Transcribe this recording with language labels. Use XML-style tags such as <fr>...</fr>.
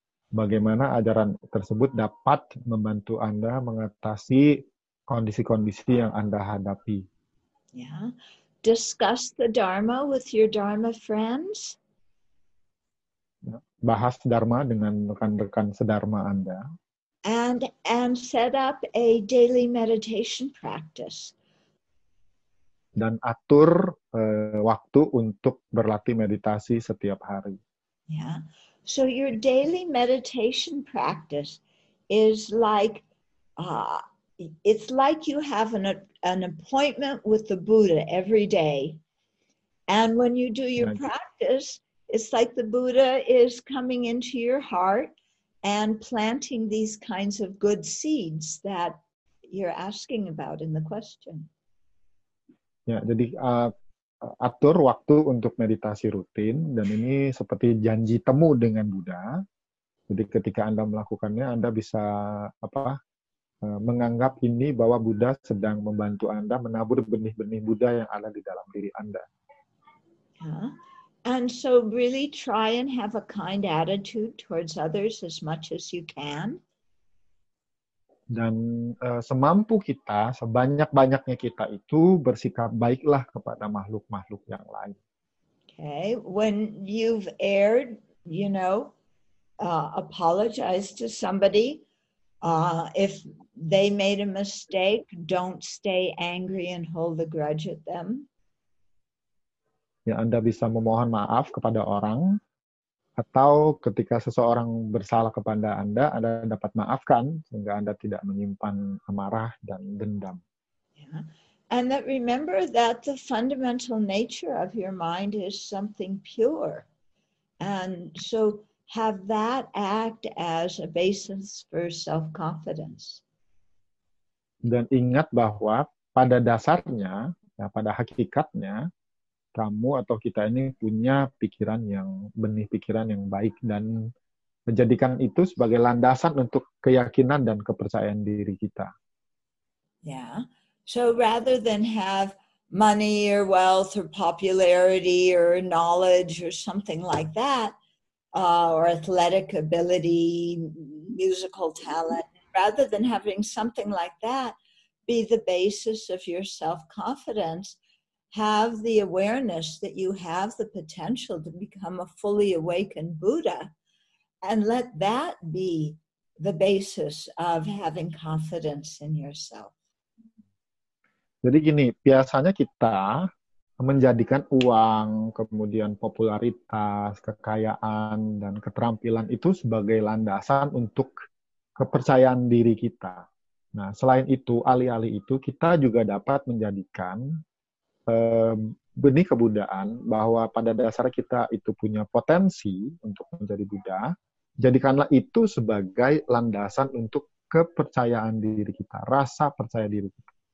<id>Bagaimana ajaran tersebut dapat membantu Anda mengatasi kondisi-kondisi yang Anda hadapi.</id> <en>Yeah. Discuss the Dharma with your Dharma friends.</en> <id>Bahas Dharma dengan rekan-rekan sedharma Anda.</id> <en>And set up a daily meditation practice.</en> <id>dan atur waktu untuk berlatih meditasi setiap hari.</id> <en>Yeah. So your daily meditation practice is like it's like you have an appointment with the Buddha every day. And when you do your practice, it's like the Buddha is coming into your heart and planting these kinds of good seeds that you're asking about in the question.</en> <id>Ya, jadi atur waktu untuk meditasi rutin, dan ini seperti janji temu dengan Buddha. Jadi ketika Anda melakukannya, Anda bisa menganggap ini bahwa Buddha sedang membantu Anda menabur benih-benih Buddha yang ada di dalam diri Anda.</id> <en>And so really try and have a kind attitude towards others as much as you can.</en> <id>Dan semampu kita, sebanyak-banyaknya kita itu bersikap baiklah kepada makhluk-makhluk yang lain.</id> <en>Okay, when you've erred, you know, apologize to somebody. If they made a mistake, don't stay angry and hold a grudge at them.</en> <id>Ya, Anda bisa memohon maaf kepada orang, atau ketika seseorang bersalah kepada Anda, Anda dapat maafkan sehingga Anda tidak menyimpan amarah dan dendam.</id> <en>Yeah. And that remember that the fundamental nature of your mind is something pure. And so have that act as a basis for self-confidence.</en> <id>Dan ingat bahwa pada dasarnya, ya, pada hakikatnya, kamu atau kita ini punya pikiran yang benih pikiran yang baik dan menjadikan itu sebagai landasan untuk keyakinan dan kepercayaan diri kita.</id> <en>Yeah. So rather than have money or wealth or popularity or knowledge or something like that, or athletic ability, musical talent, rather than having something like that be the basis of your self-confidence, have the awareness that you have the potential to become a fully awakened Buddha, and let that be the basis of having confidence in yourself.</en> <id>Jadi gini, biasanya kita menjadikan uang, kemudian popularitas, kekayaan, dan keterampilan itu sebagai landasan untuk kepercayaan diri kita. Nah, selain itu, alih-alih itu, kita juga dapat menjadikan benih kebudaan bahwa pada dasar kita itu punya potensi untuk menjadi Buddha, jadikanlah itu sebagai landasan untuk kepercayaan diri kita, rasa percaya diri kita.</id>